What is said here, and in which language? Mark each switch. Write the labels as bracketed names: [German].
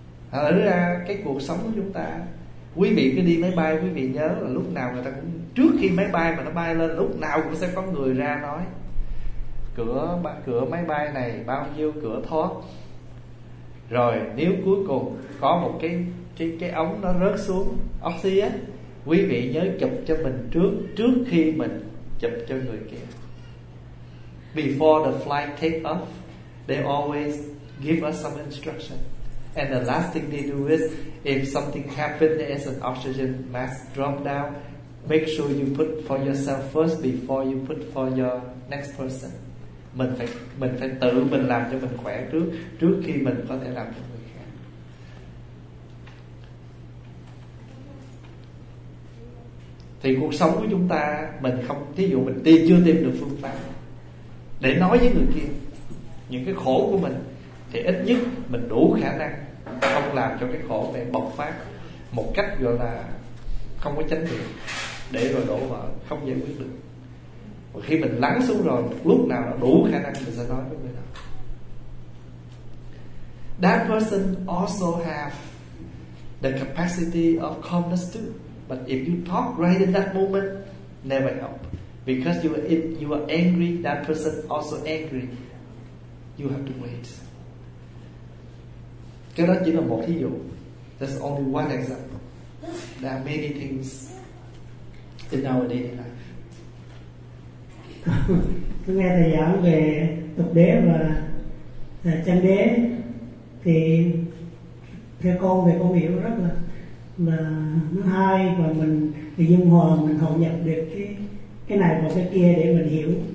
[Vietnamese] Thật ra cái cuộc sống của chúng ta, quý vị cứ đi máy bay, quý vị nhớ là lúc nào người ta cũng, trước khi máy bay mà nó bay lên, lúc nào cũng sẽ có người ra nói cửa máy bay này bao nhiêu cửa thoát. Rồi nếu cuối cùng có một cái ống nó rớt xuống oxy á, quý vị nhớ chụp cho mình trước khi mình chụp cho người kia. [English] Before the flight take off, they always give us some instruction. And the last thing they do is, if something happens, there is an oxygen mask drop down, make sure you put for yourself first before you put for your next person. [Vietnamese] Mình phải tự mình làm cho mình khỏe trước khi mình có thể làm cho người khác. Thì cuộc sống của chúng ta, mình không, thí dụ mình chưa tìm được phương pháp để nói với người kia những cái khổ của mình, thì ít nhất mình đủ khả năng không làm cho cái khổ này bộc phát một cách gọi là không có chánh niệm, để rồi đổ vỡ, không giải quyết được. Và khi mình lắng xuống rồi, lúc nào nó đủ khả năng mình sẽ nói với người đó. [English] That person also have the capacity of calmness too. But if you talk right in that moment, never help. Because if you are angry, that person also angry. You have to wait. [Vietnamese] Cái đó chỉ là một thí dụ. [English] That's only one example. There are many things in our daily life. [Vietnamese] Tôi nghe thầy giảng về tục đế và chăn đế, thì theo con về con hiểu rất là nó hay, và mình thì dung hòa, mình hội nhập được cái này và cái kia để mình hiểu.